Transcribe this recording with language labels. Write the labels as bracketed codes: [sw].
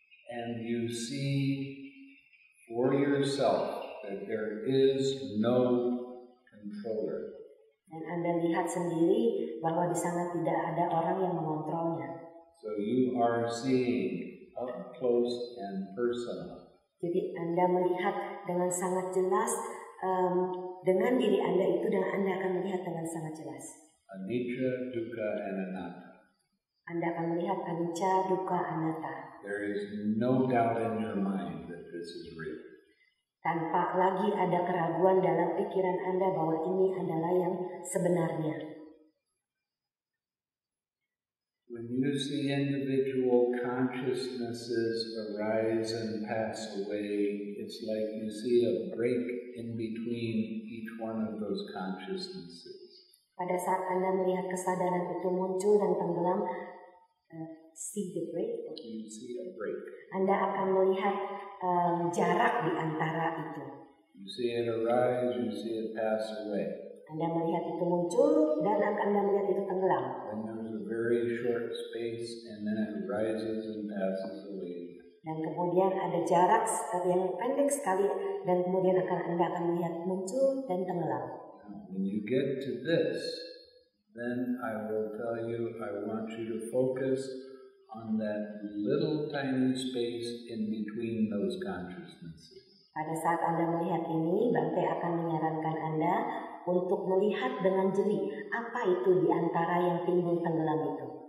[en] And you see for yourself that there is no controller. [id] Dan Anda lihat sendiri bahwa di sana tidak ada orang yang mengontrolnya. [en] So you are seeing up close and personal. [id] Jadi Anda melihat dengan sangat jelas dengan diri Anda itu dan Anda akan melihat dengan sangat jelas. [en] Anicca, dukkha, and anatta. [id] Anda akan melihat anicca, dukkha, anatta. [en] There is no doubt in your mind that this is real. [id] Tanpa lagi ada keraguan dalam pikiran Anda bahwa ini adalah yang sebenarnya. [en] When you see individual consciousnesses arise and pass away, it's like you see a break in between each one of those consciousnesses. [id] Pada saat Anda melihat kesadaran itu muncul dan tenggelam, [en] see the break. You see a break. [id] Anda akan melihat jarak di antara itu. [en] You see it arise, you see it pass away. [id] Anda melihat itu muncul dan Anda melihat itu tenggelam. [en] And there's a very short space, and then it rises and passes away. [id] Dan kemudian ada jarak yang pendek sekali, dan kemudian Anda akan melihat muncul dan tenggelam. [en] When you get to this, then I will tell you, I want you to focus on that little tiny space in between those consciousnesses. [id] Pada saat Anda melihat ini, Bante akan menyarankan Anda untuk melihat dengan jeli apa itu di antara yang timbul tenggelam itu.